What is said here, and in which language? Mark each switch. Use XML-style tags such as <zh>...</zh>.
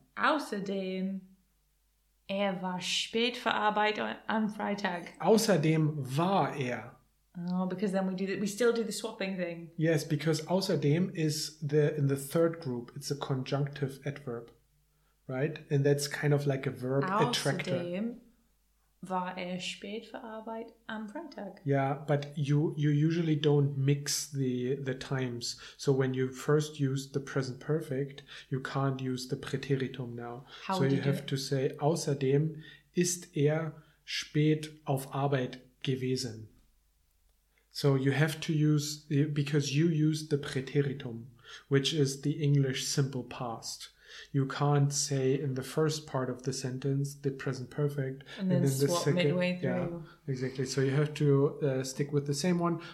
<de>Außerdem, er war spät für Arbeit am Freitag. Außerdem war er.</de> <en>Oh, because then we still do the swapping thing. Yes, because außerdem is in the third group. It's a conjunctive adverb, right? And that's kind of like a verb</en> <de>außerdem</de> <en>attractor.</en> <de>Außerdem war er spät für Arbeit am Freitag.</de> <en>Yeah, but you usually don't mix the times. So when you first use the present perfect, you can't use the Präteritum now. How so did you have it? To say,</en> <de>außerdem ist er spät auf Arbeit gewesen.</de> <en>So you have to use, because you use the Präteritum, which is the English simple past. You can't say in the first part of the sentence the present perfect and then swap the second, midway through. Yeah, exactly. So you have to stick with the same one.</en>